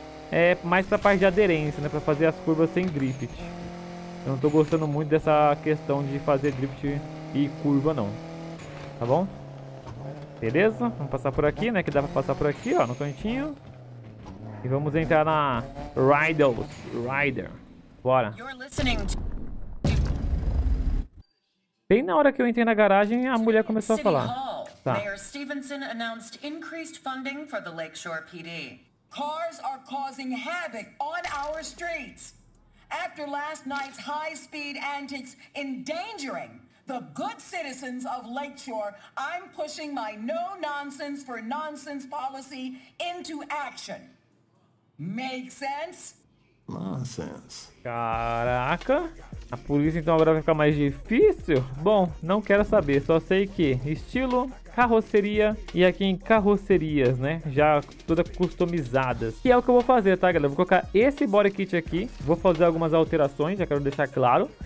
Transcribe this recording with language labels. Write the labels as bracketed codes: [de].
[pt] É, mais pra parte de aderência, né? Pra fazer as curvas sem drift. Eu não tô gostando muito dessa questão de fazer drift e curva, não. Tá bom? Beleza? Vamos passar por aqui, né? Que dá pra passar por aqui, ó, no cantinho. E vamos entrar na Rider. Bora. Bem na hora que eu entrei na garagem, a mulher começou a falar. Tá. [en] Mayor Stevenson announced increased funding for the Lakeshore PD. Cars are causing havoc on our streets. After last night's high-speed antics endangering the good citizens of Lakeshore, I'm pushing my no-nonsense for nonsense policy into action. Make sense? Nonsense. [pt] Caraca, a polícia então agora vai ficar mais difícil? Bom, não quero saber, só sei que estilo... carroceria, e aqui em carrocerias, né, já todas customizadas. E é o que eu vou fazer, tá, galera? Vou colocar esse body kit aqui, vou fazer algumas alterações, já quero deixar claro.